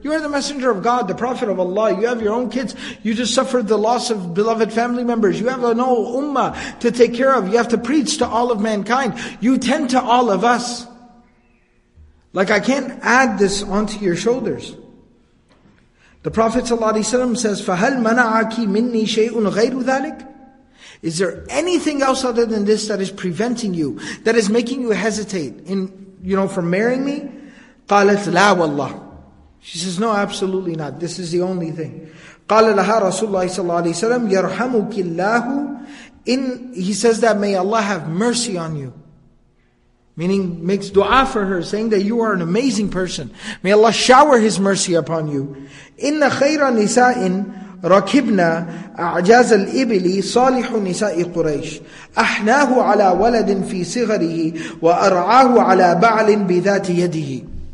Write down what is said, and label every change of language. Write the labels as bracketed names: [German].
[English] You are the messenger of God, the Prophet of Allah. You have your own kids. You just suffered the loss of beloved family members. You have an old ummah to take care of. You have to preach to all of mankind. You tend to all of us. Like I can't add this onto your shoulders. The Prophet ﷺ says, [Arabic] فَهَلْ مَنَعَكِ مِنِّي شَيْءٌ غَيْرُ ذَلِكَ. [English] Is there anything else other than this that is preventing you, that is making you hesitate in, you know, from marrying me? [Arabic] قالت لا والله. [English] She says, no, absolutely not. This is the only thing. [Arabic] قال لها رسول الله صلى الله عليه وسلم يرحمك الله. [English] In, he says that may Allah have mercy on you. Meaning makes dua for her, saying that you are an amazing person. May Allah shower His mercy upon you. [Arabic] إن خير النساء رَكِبْنَا أَعْجَازَ الْإِبِلِ صَالِحُ نِسَاءِ قُرَيْشِ أَحْنَاهُ عَلَى وَلَدٍ فِي صِغَرِهِ وَأَرْعَاهُ عَلَى بَعْلٍ بِذَاتِ يَدِهِ.